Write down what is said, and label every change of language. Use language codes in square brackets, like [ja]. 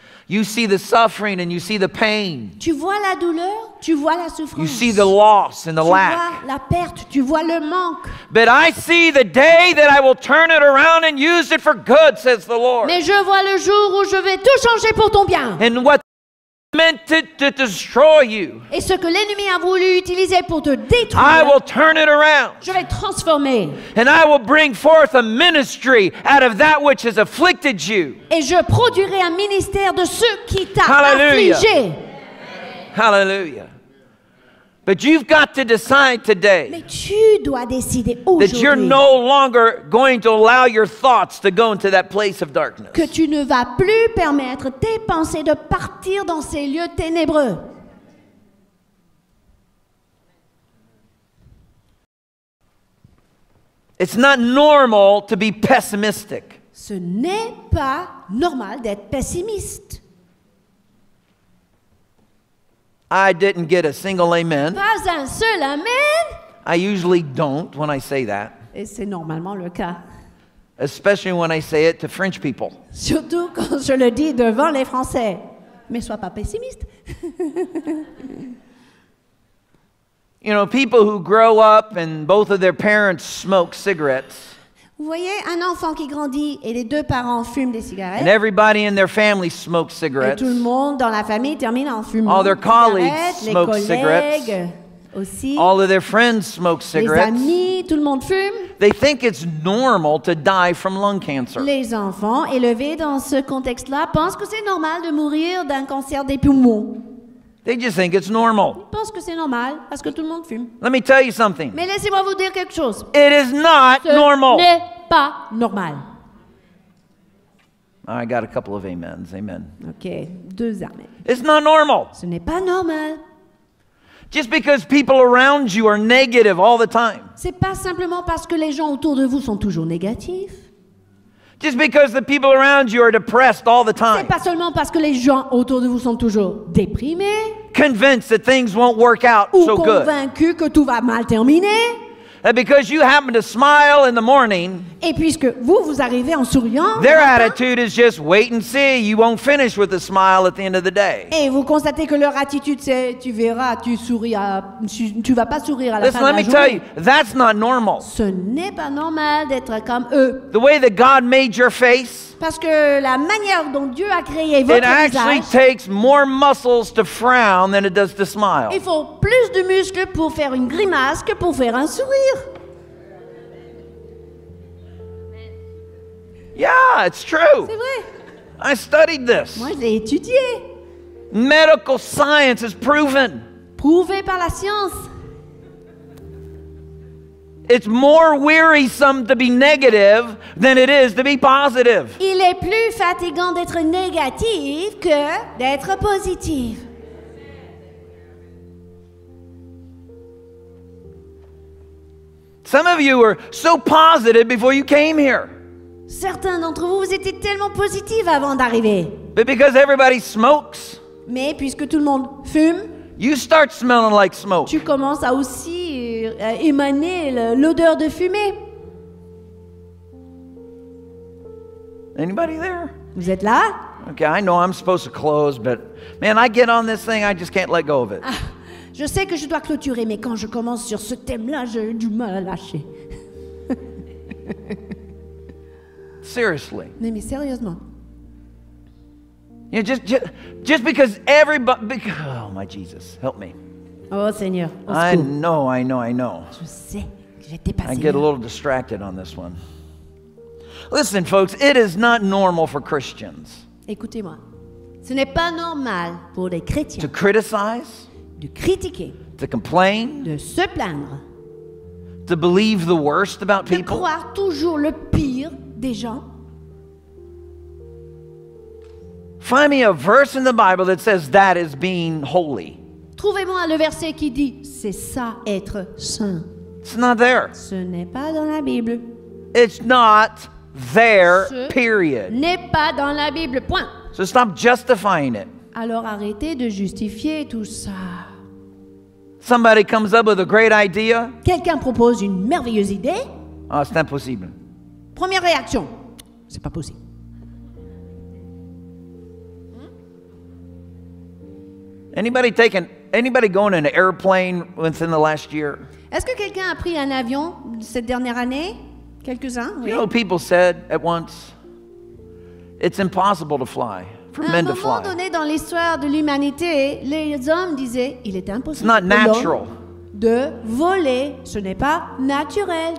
[en] You see the suffering and you see the pain. [fr] Tu vois la douleur, tu vois la souffrance. [en] You see the loss and the lack. [fr] Tu vois la perte, tu vois le manque. [en] But I see the day that I will turn it around and use it for good, says the Lord. [fr] Mais je vois le jour où je vais tout changer pour ton bien. [en] And what meant to destroy you. [fr] Et ce que l'ennemi a voulu utiliser pour te détruire. [en] I will turn it around. [fr] Je vais transformer. [en] And I will bring forth a ministry out of that which has afflicted you. [fr] Et je produirai un ministère de ce qui t'a affligé. Hallelujah. [en] But you've got to decide today. [fr] Mais tu dois décider aujourd'hui. [en] That you're no longer going to allow your thoughts to go into that place of darkness. [fr] Que tu ne vas plus permettre tes pensées de partir dans ces lieux ténébreux. [en] It's not normal to be pessimistic. [fr] Ce n'est pas normal d'être pessimiste. [en] I didn't get a single amen. [fr] Pas un seul amen. [en] I usually don't when I say that. [fr] Et c'est normalement le cas. [en] Especially when I say it to French people. [fr] Surtout quand je le dis devant les Français. Mais sois pas pessimiste. [en] You know, people who grow up and both of their parents smoke cigarettes. [fr] Vous voyez un enfant qui grandit et les deux parents fument des cigarettes. [en] And everybody in their family smokes cigarettes. [fr] Et tout le monde dans la famille termine en fumant. [en] All their colleagues smoke cigarettes. [fr] Les collègues aussi. [en] All of their friends smoke cigarettes. [fr] Les amis, tout le monde fume. [en] They think it's normal to die from lung cancer. [fr] Les enfants élevés dans ce contexte-là pensent que c'est normal de mourir d'un cancer des poumons. [en] They just think it's normal. [fr] Ils pensent que c'est normal parce que tout le monde fume. [en] Let me tell you something. [fr] Mais laissez-moi vous dire quelque chose. [en] It is not [fr] Ce [en] normal. [fr] N'est pas normal. [en] I got a couple of amens. Amen. [fr] Okay, deux amens. [en] It's not normal. [fr] Ce n'est pas normal. [en] Just because people around you are negative all the time. [fr] C'est pas simplement parce que les gens autour de vous sont toujours négatifs. [en] Just because the people around you are depressed all the time. [fr] C'est pas seulement parce que les gens autour de vous sont toujours déprimés. [en] Convinced that things won't work out [fr] ou [en] so good. [fr] Ou convaincu que tout va mal terminer. [en] And because you happen to smile in the morning. [fr] Et puisque vous arrivez en souriant. [en] Their attitude is just wait and see. You won't finish with a smile at the end of the day. [fr] Et vous constatez que leur attitude c'est tu verras, tu souriras, tu vas pas sourire à la fin de la journée. [en] Let me tell you, that's not normal. [fr] Ce n'est pas normal d'être comme eux. [en] The way that God made your face. [fr] parce que la manière dont Dieu a créé votre visage. [en] It actually takes more muscles to frown than it does to smile. [fr] Il faut plus de muscles pour faire une grimace que pour faire un sourire. [en] Yeah, it's true. [fr] C'est vrai. [en] I studied this. [fr] Moi, j'ai étudié. [en] Medical science is proven. [fr] Prouvé par la science. [en] It's more wearisome to be negative than it is to be positive. [fr] Il est plus fatigant d'être négatif que d'être positif. [en] Some of you were so positive before you came here. [fr] Certains d'entre vous, vous étiez tellement positifs avant d'arriver. [en] But because everybody smokes, [fr] mais puisque tout le monde fume, [en] you start smelling like smoke. [fr] Tu commences à aussi émaner l'odeur de fumée. [en] Anybody there? [fr] Vous êtes là? [en] Okay, I know I'm supposed to close, but man, I get on this thing, I just can't let go of it. [fr] Je sais que je dois clôturer, mais quand je commence sur ce thème-là, j'ai du mal à lâcher. [en] Seriously. [fr] Non, mais sérieusement. [en] You know, just because everybody, because, oh my Jesus, help me. [fr] Oh Seigneur. [en] I know. [fr] Je sais que j'étais passé. [en] I get a little distracted on this one. Listen, folks, it is not normal for Christians. [fr] Écoutez-moi, ce n'est pas normal pour les chrétiens. [en] To criticize. [fr] De critiquer. [en] To complain. [fr] De se plaindre. [en] To believe the worst about people. [fr] De croire toujours le pire des gens. [en] Find me a verse in the Bible that says that is being holy. [fr] Trouvez-moi le verset qui dit c'est ça être saint. [en] It's not there. [fr] Ce n'est pas dans la Bible. [en] It's not there. Period. [fr] Ce n'est pas dans la Bible. Point. [en] So stop justifying it. [fr] Alors arrêtez de justifier tout ça. [en] Somebody comes up with a great idea. [fr] Quelqu'un propose une merveilleuse idée. Ah, c'est impossible. Première réaction. C'est pas possible. [en] Anybody going in an airplane within the last year? [fr] Est-ce que quelqu'un a pris un avion cette dernière année? Quelques-uns, oui. [en] You know, people said at once, it's impossible to fly, for men to fly. [fr] À un moment donné dans l'histoire de l'humanité, les hommes disaient, il est impossible [en] it's not natural. [fr] De voler, ce n'est pas naturel.